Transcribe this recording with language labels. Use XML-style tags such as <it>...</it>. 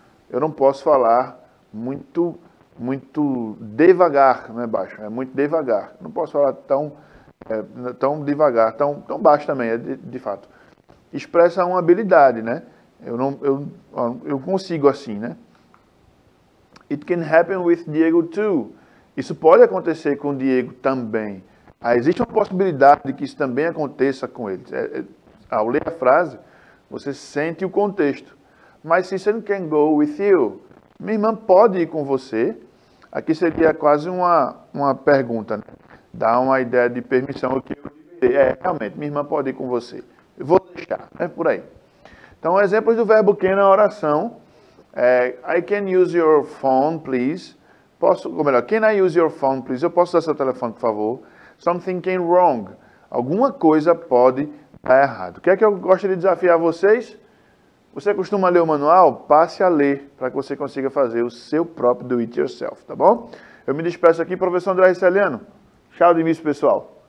<pt>Eu não posso falar muito, muito devagar, não é baixo? É muito devagar. Não posso falar tão devagar, tão baixo também, de fato. Expressa uma habilidade, né? Eu consigo assim, né?</pt> <en>It can happen with Diego too.</en> <pt>Isso pode acontecer com o Diego também. Existe uma possibilidade de que isso também aconteça com ele. Ao ler a frase, você sente o contexto.</pt> <en>My sister can go with you.</en> <pt>Minha irmã pode ir com você. Aqui seria quase uma pergunta, né? Dá uma ideia de permissão. Realmente, minha irmã pode ir com você. Eu vou deixar, né? Por aí. Então, exemplos do verbo can na oração.</pt> <en>I can use your phone, please. Can I use your phone, please?</en> <pt>Eu posso usar seu telefone, por favor?</pt> <en>Something came wrong.</en> <pt>Alguma coisa pode estar errado. O que é que eu gosto de desafiar vocês? Você costuma ler o manual? Passe a ler para que você consiga fazer o seu próprio</pt> <en>do it yourself,</en> <pt>tá bom? Eu me despeço aqui, professor André Celiano. Tchau de mim, pessoal.</pt>